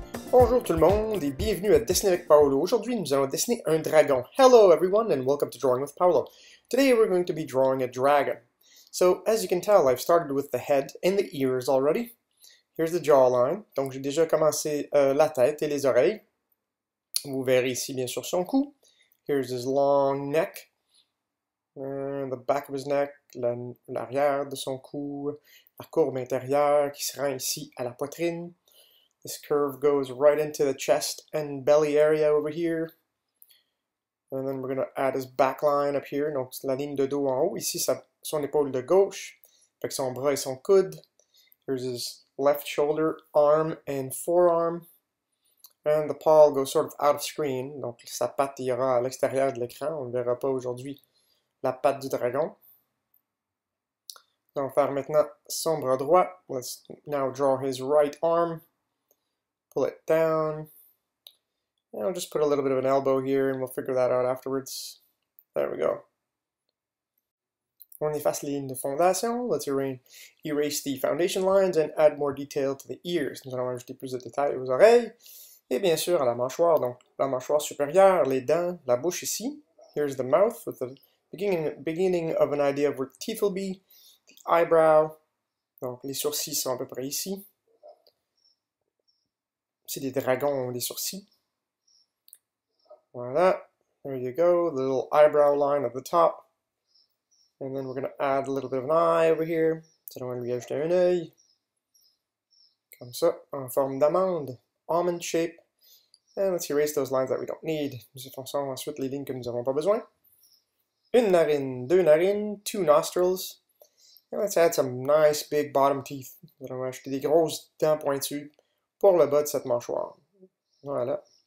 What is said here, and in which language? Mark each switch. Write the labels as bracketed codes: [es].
[fr] Bonjour tout le monde et bienvenue à Dessiner avec Paolo. Aujourd'hui, nous allons dessiner un dragon. [en] Hello everyone and welcome to Drawing with Paolo. Today we're going to be drawing a dragon. So, as you can tell, I've started with the head and the ears already. Here's the jawline. [fr] Donc, j'ai déjà commencé la tête et les oreilles. Vous verrez ici, bien sûr, son cou. [en] Here's his long neck. The back of his neck, [fr] l'arrière de son cou. La courbe intérieure qui se rend ici à la poitrine. [en] This curve goes right into the chest and belly area over here. And then we're going to add his back line up here. [fr] Donc, la ligne de dos en haut. Ici, ça, son épaule de gauche. Avec son bras et son coude. [en] Here's his left shoulder, arm, and forearm. And the paw goes sort of out of screen. [fr] Donc, sa patte ira à l'extérieur de l'écran. On ne verra pas aujourd'hui la patte du dragon. Donc, on va faire maintenant son bras droit. [en] Let's now draw his right arm. Pull it down, and I'll just put a little bit of an elbow here, and we'll figure that out afterwards. There we go. [fr] On efface les lignes de fondation, [en] let's erase the foundation lines and add more detail to the ears. [fr] Nous allons ajouter plus de détails aux oreilles, et bien sûr à la mâchoire, donc la mâchoire supérieure, les dents, la bouche ici. [en] Here's the mouth with the beginning of an idea of where the teeth will be. The eyebrow, [fr] donc les sourcils sont à peu près ici. C'est des dragons ont des sourcils. Voilà. [en] There you go. The little eyebrow line at the top. And then we're going to add a little bit of an eye over here. [fr] So on va lui ajouter un œil. Comme ça. En forme d'amande. [en] Almond shape. And let's erase those lines that we don't need. [fr] Nous effaçons ensuite les lignes que nous n'avons pas besoin. Une narine. Deux narines. [en] Two nostrils. And let's add some nice big bottom teeth. [fr] So on va ajouter des grosses dents pointues. Pour le bas de cette mâchoire. Voilà.